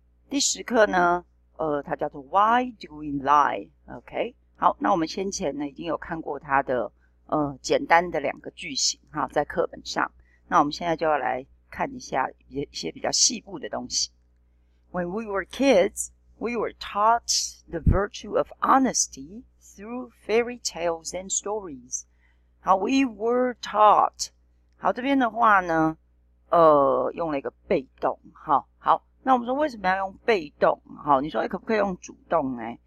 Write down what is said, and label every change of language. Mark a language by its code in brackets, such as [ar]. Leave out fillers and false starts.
[zh] 第十课呢，它叫做 [en] Why do we lie? [zh] OK， 好，那我们先前呢已经有看过它的简单的两个句型在课本上。那我们现在就要来看一下一些比较细部的东西。 [en] When we were kids, we were taught the virtue of honesty through fairy tales and stories. [zh] 好 ， [en] we were taught。 [zh] 好，这边的话呢，用了一个被动。好，那我们说为什么要用被动？好，你说可不可以用主动呢？